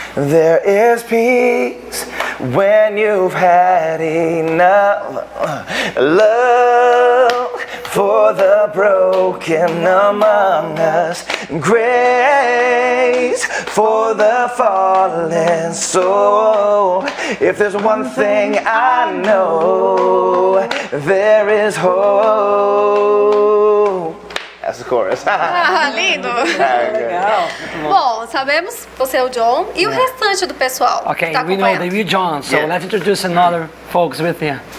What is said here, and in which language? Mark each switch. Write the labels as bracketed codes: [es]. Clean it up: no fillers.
[en] There is peace when you've had enough love for the broken among us, grace for the fallen soul. If there's one thing I know, there is hope. [pt] Essa chorus. Lindo! Legal! Bom, sabemos você é o John e o restante do pessoal. Ok, que tá, [en] we know that you're John, so let's introduce another folks with you.